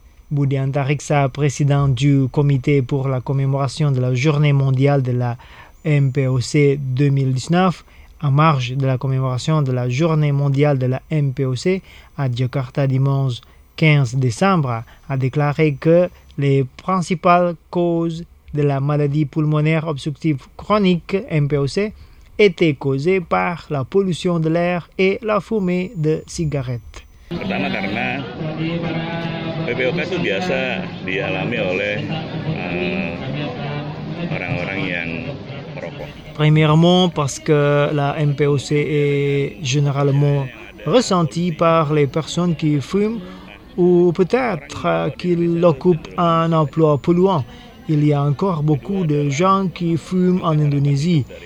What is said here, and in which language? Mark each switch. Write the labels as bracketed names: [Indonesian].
[French] Budi Antariksa, président du comité pour la commémoration de la Journée mondiale de la MPOC 2019, en marge de la commémoration de la Journée mondiale de la MPOC à Jakarta dimanche 15 décembre, a déclaré que les principales causes de la maladie pulmonaire obstructive chronique MPOC étaient causées par la pollution de l'air et la fumée de cigarettes. [Indonesian] Pertama karena PPOK itu biasa dialami oleh orang-orang yang merokok. [French] Premièrement parce que la MPOC est généralement ressentie par les personnes qui fument ou peut-être qu'ils occupent un emploi polluant. Il y a encore beaucoup de gens qui fument en Indonésie.